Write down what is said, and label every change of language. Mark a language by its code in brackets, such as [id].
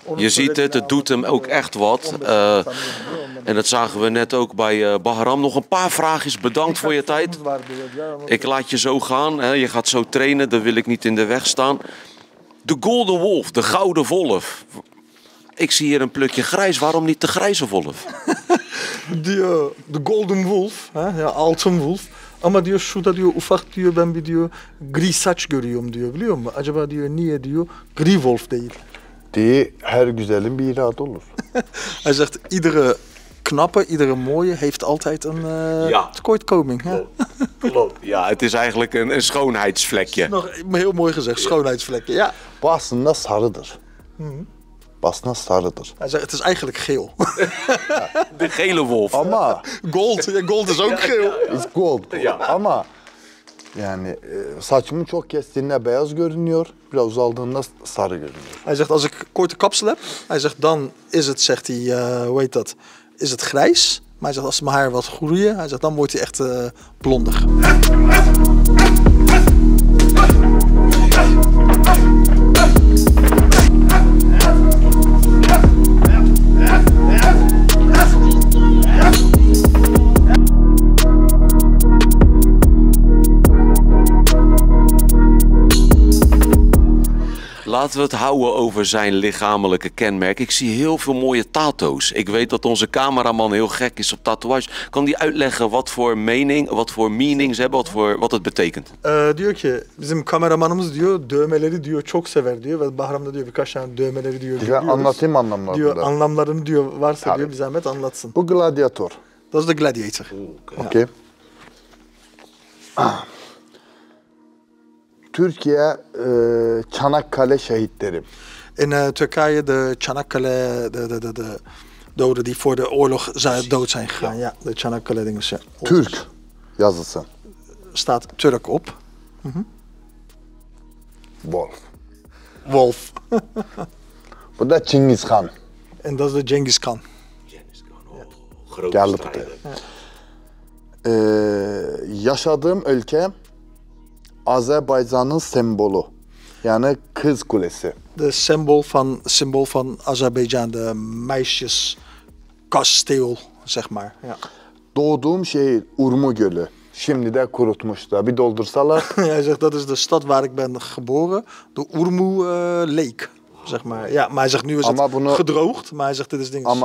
[nl] Je ziet het, het doet hem ook echt wat. En dat zagen we net ook bij Bahram. Nog een paar vraagjes. Bedankt voor je tijd. Ik laat je zo gaan. Hè. Je gaat zo trainen. Daar wil ik niet in de weg staan. De Golden Wolf, de Gouden Wolf. Ik zie hier een plukje grijs. Waarom niet de Grijze Wolf? De Golden Wolf. Hè? Ja, Alten Wolf. [tr] Ama diyor şurada diyor ufak diyor ben bir diyor gri saç görüyorum diyor biliyor musun? Acaba diyor niye diyor gri wolf değil. Diye her güzelin bir irade olur. [nl] Hij zegt iedere knappe, iedere mooie heeft altijd een tekortkoming. Klopt. Klopt. Ja, het is eigenlijk een schoonheidsvlekje. Nog heel mooi gezegd, schoonheidsvlekje. Ja. [tr] Aslında sarıdır. Aslında sarıdır. [nl] Hij zegt het is eigenlijk geel. De gele wolf. [tr] Ama [nl] gold. Ja, gold is ook geel. Is gold. Ja. [tr] Ama yani saçımı çok kestiğinde beyaz görünüyor. Biraz uzaldığında sarı görünüyor. [nl] Hij zegt als ik korte kapsel heb, hij zegt dan is het zegt hij hoe heet dat? Is het grijs? Maar hij zegt als mijn haar wat groeien, hij zegt dan wordt hij echt blondig. Laten we het houden over zijn lichamelijke kenmerk. Ik zie heel veel mooie tato's. Ik weet dat onze cameraman heel gek is op tatoeages. Kan die uitleggen wat voor mening, wat voor meanings hebben, wat het betekent? [tr] Diyor ki, bizim kameramanımız diyor, dövmeleri diyor, çok sever diyor. Ve Bahram'da diyor, birkaç tane dövmeleri diyor. Ben anlatayım anlamlarını. Diyor, anlamlarını diyor, varsa diyor, bir zahmet anlatsın. Bu gladiator. [de] Das ist der Gladiator. Okay. [tr] Türkiye Çanakkale şehitleri. [nl] In Türkiye de Çanakkale de dode die voor de oorlog dood zijn gegaan. Ja, de Çanakkale dingen. [tr] Türk yazısı. [nl] Staat Türk op. Wolf. Wolf. [tr] Bu da Cengiz Han. [nl] En dat is de Cengiz Han. Cengiz Han. Grote. [tr] Yaşadığım ülke Azerbeidzjan'ın sembolü. Yani kız kulesi. [nl] De symbool van Azerbeidzjan, de meisjeskasteel, zeg maar. Ja. [tr] Doğduğum şehir Urmugölü. Şimdi de kurutmuşlar. Bir doldursalar. [nl] Hij zegt dat is de stad waar ik ben geboren, de Urmu Lake, zeg maar. Ja, maar hij zegt nu is [tr] ama [nl] het [tr] bunu, [nl] gedroogd, maar hij zegt dit is dingen.